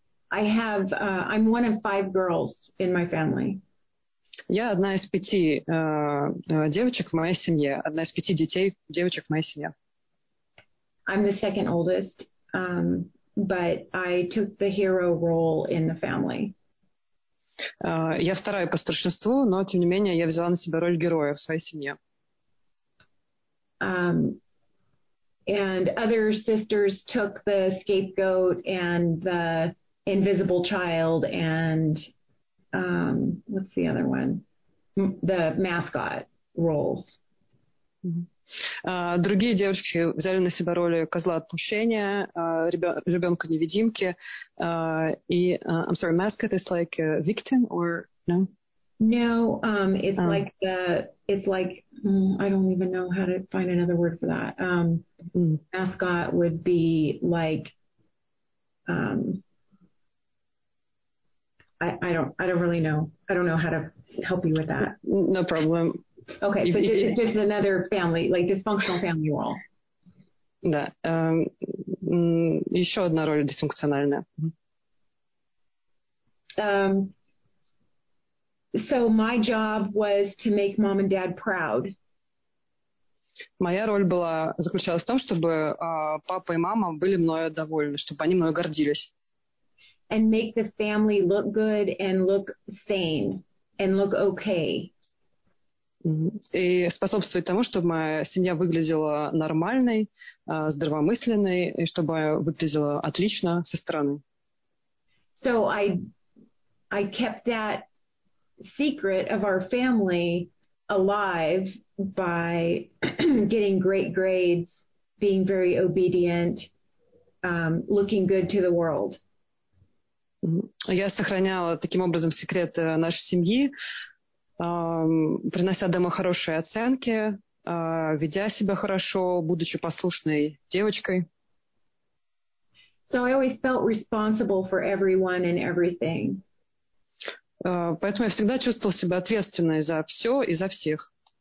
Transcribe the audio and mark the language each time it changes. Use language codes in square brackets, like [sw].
[en] I'm one of five girls in my family. [ru] Я одна из пяти девочек в моей семье, одна из пяти детей девочек в моей семье. [en] I'm the second oldest. But I took the hero role in the family. [ru] Я вторая по старшинству, но тем не менее я взяла на себя роль героя в своей семье. [en] And other sisters took the scapegoat and the invisible child and what's the other one? The mascot roles. Mm-hmm. [ru] Другие девочки взяли на себя роли козла отпущения, ребенка-невидимки, [en] I'm sorry, mascot is like a victim or no? No, I don't even know how to find another word for that. Mascot would be like, I don't really know. I don't know how to help you with that. No problem. Okay, so it's just another family, like dysfunctional family role. [ru] Да. Еще одна роль дисфункциональная. [en] So my job was to make mom and dad proud. [ru] Моя роль была заключалась в том, чтобы папа и мама были мною довольны, чтобы они мною гордились. [en] And make the family look good and look sane and look okay. [ru] И способствовать тому, чтобы моя семья выглядела нормальной, здравомысленной, и чтобы выглядела отлично со стороны. [en] So I kept that secret of our family alive by getting great grades, being very obedient, looking good to the world. [ru] Я сохраняла таким образом секрет нашей семьи, принося домой хорошие оценки, ведя себя хорошо, будучи послушной девочкой. [en] So I always felt responsible for everyone and everything. [ru] Поэтому я всегда чувствовала себя ответственной за все и за всех.